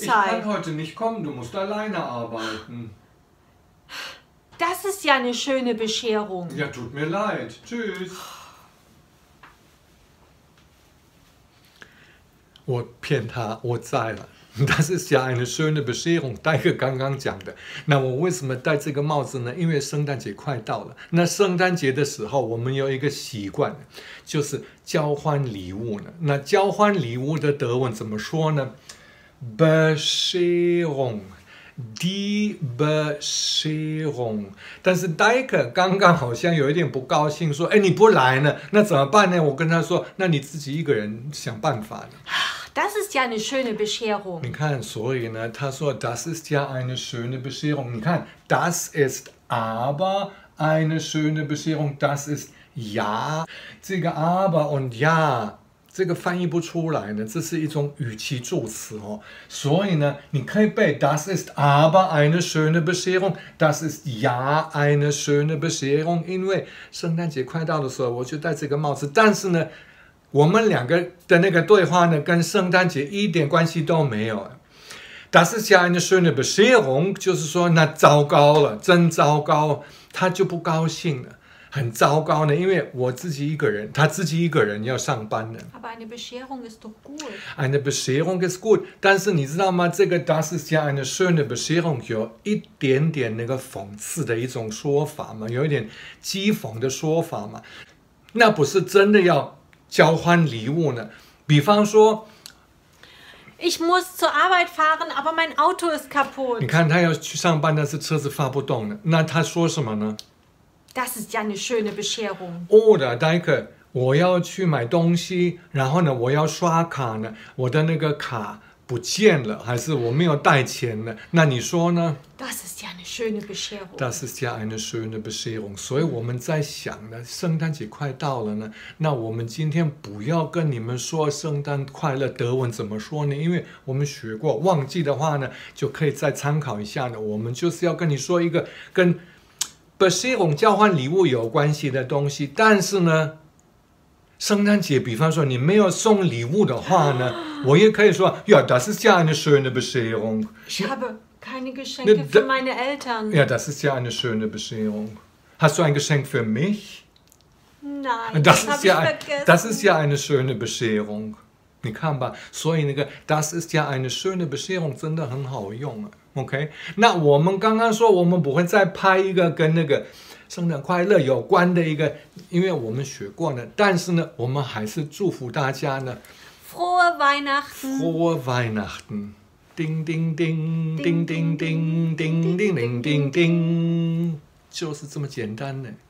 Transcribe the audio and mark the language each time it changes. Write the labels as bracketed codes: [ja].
[de] Ich kann heute nicht kommen. Du musst alleine arbeiten. Das ist ja eine schöne Bescherung. Ja, tut mir leid. Tschüss. [zh] 我骗他，我在了。 [de] Das ist ja eine schöne Bescherung, Daike [zh] 刚刚讲的。那我为什么戴这个帽子呢？因为圣诞节快到了。那圣诞节的时候，我们有一个习惯，就是交换礼物呢。那交换礼物的德文怎么说呢 ？Bescherung, die Bescherung。但是Daike刚刚好像有一点不高兴，说：“哎，你不来呢？那怎么办呢？” 我跟他说：“那你自己一个人想办法呢。” [de] Das ist ja eine schöne Bescherung. [zh] 你看，所以呢，他说 [de] ，Das ist ja eine schöne Bescherung. [zh] 你看 [de] ，Das ist aber eine schöne Bescherung. Das ist ja. [zh] 这个 aber und ja， 这个翻译不出来呢，这是一种语气助词哦。所以呢，你可以背 [de] ，Das ist aber eine schöne Bescherung. Das ist ja eine schöne Bescherung. [zh] 因为圣诞节快到的时候，我就戴这个帽子，但是呢。我们两个的那个对话呢，跟圣诞节一点关系都没有。 [de] Das ist ja eine schöne Bescherung， [zh] 就是说那糟糕了，真糟糕，他就不高兴了，很糟糕呢，因为我自己一个人，他自己一个人要上班呢。 [de] Aber eine Bescherung ist doch gut. Eine Bescherung ist gut， [zh] 但是你知道吗？这个 [de] Das ist ja eine schöne Bescherung [zh] 有一点点那个讽刺的一种说法嘛，有一点讥讽的说法嘛，那不是真的要。交换礼物呢，比方说 [de] ，Ich muss zur Arbeit fahren, aber mein Auto ist kaputt. [zh] 你看他要去上班，但是车子发不动了，那他说什么呢 [de] ？Das ist ja eine schöne Bescherung. [zh] Oder Daike， 我要去买东西，然后呢，我要刷卡呢，我的那个卡不见了，还是我没有带钱呢？那你说呢 [de] ？Das ist ja eine schöne Bescherung. Das ist ja eine schöne Bescherung. [zh] 所以我们在想呢，圣诞节快到了呢，那我们今天不要跟你们说圣诞快乐德文怎么说呢？因为我们学过，忘记的话呢，就可以再参考一下呢。我们就是要跟你说一个跟 Bescherung 交换礼物有关系的东西，但是呢。圣诞节，比方说你没有送礼物的话呢，我也可以说 ， [de] Ja, das ist ja eine schöne Bescherung. Ich habe keine Geschenke für meine Eltern. Ja, das ist ja eine schöne Bescherung. Hast du ein Geschenk für mich? Nein, das habe ich vergessen. Das ist ja eine schöne Bescherung. [zh] 你看吧，所以那个 [de] das ist ja eine schöne Bescherung [zh] 真的很好用啊。 OK， 那我们刚刚说我们不会再拍一个跟那个。圣诞快乐有关的一个，因为我们学过呢，但是呢，我们还是祝福大家呢。 [de] Frohe Weihnachten! Frohe Weihnachten! Ding ding ding ding ding ding ding ding ding ding ding ding， [zh] 就是这么简单呢。